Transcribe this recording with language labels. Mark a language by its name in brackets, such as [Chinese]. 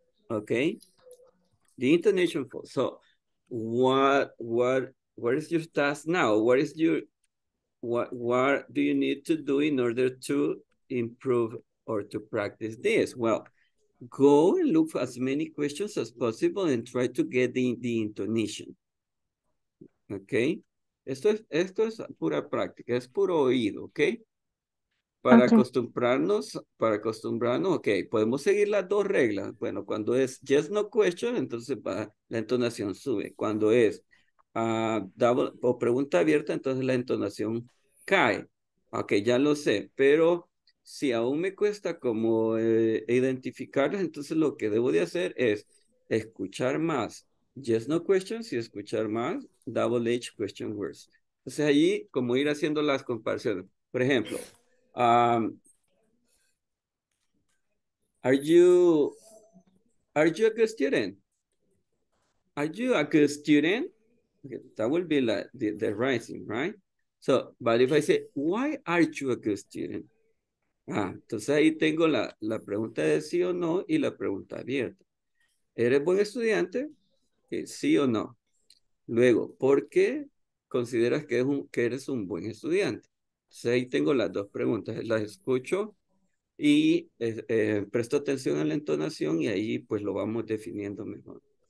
[English] Okay? The intonation falls. So what is your task now? What do you need to do in order to improve or to practice this? Well, go and look for as many questions as possible and try to get the intonation. Okay? [Spanish] Esto es pura práctica, es puro oído, okay? Para acostumbrarnos, okay, podemos seguir las dos reglas. Bueno, cuando es yes, no question, entonces va, la entonación sube. Cuando es o pregunta abierta, entonces la entonación cae. Ok, ya lo sé, pero si aún me cuesta como identificarlas, entonces lo que debo de hacer es escuchar más yes, no questions y escuchar más double H question words. Entonces allí, como ir haciendo las comparaciones. Por ejemplo, [English] are you a good student? Are you a good student? Okay, that will be like the rising, right? So, but if I say, why are you a good student? [Spanish] Entonces ahí tengo la pregunta de sí o no y la pregunta abierta. ¿Eres buen estudiante? Okay, sí o no. Luego, ¿por qué consideras que eres un buen estudiante? Entonces ahí tengo las dos preguntas. Las escucho y presto atención a la entonación y ahí pues lo vamos definiendo mejor.